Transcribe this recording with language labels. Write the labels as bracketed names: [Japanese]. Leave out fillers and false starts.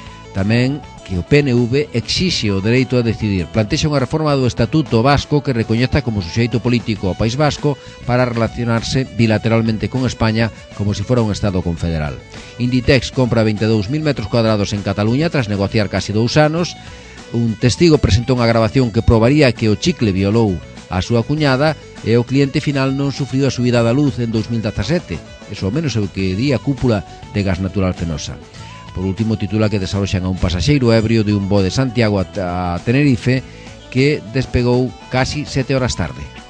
[Galician] Tamén que o PNV exixe o dereito a decidir. Plantexa unha reforma do Estatuto Vasco que recoñeza como suxeito político ao País Vasco para relacionarse bilateralmente con España como se fora un Estado confederal. [Spanish] Inditex compra 22.000 metros cuadrados en Cataluña tras negociar casi 2 anos. [Galician] Un testigo presentou unha grabación que probaría que o chicle violou a súa cuñada e o cliente final non sufriu a subida da luz en 2017. Eso ao menos é o que di a cúpula de Gas Natural Fenosa. Por último, titula que desaloxan a un pasaxeiro ebrio de un voo de Santiago a Tenerife que despegou casi 7 horas tarde.